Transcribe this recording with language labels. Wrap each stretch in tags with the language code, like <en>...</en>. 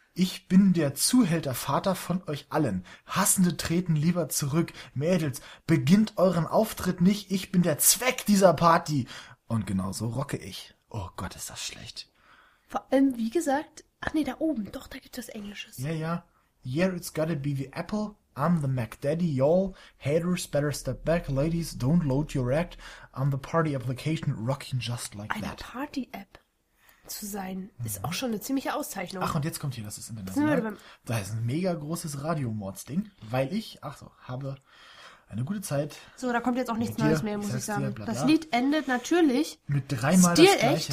<de>Ich bin der Zuhältervater von euch allen. Hassende treten lieber zurück. Mädels, beginnt euren Auftritt nicht. Ich bin der Zweck dieser Party. Und genau so rocke ich. Oh Gott, ist das schlecht. Vor allem, wie gesagt, ach nee, da oben. Doch, da gibt es was Englisches. Ja, ja.</de> <en>Yeah, it's gotta be the Apple. I'm the Mac Daddy, y'all. Haters, better step back. Ladies, don't load your act. I'm the party application rocking just like</en> <de>eine</de> <en>that.</en> <de>Eine Party-App zu sein, ist auch schon eine ziemliche Auszeichnung. Ach, und jetzt kommt hier, das ist international. Da ist ein mega großes Radio-Mords-Ding, weil ich, ach so, habe eine gute Zeit. So, da kommt jetzt auch nichts Neues mehr, muss ich sagen. Blablabla. Das Lied endet natürlich mit dreimal Stil das gleiche.</de>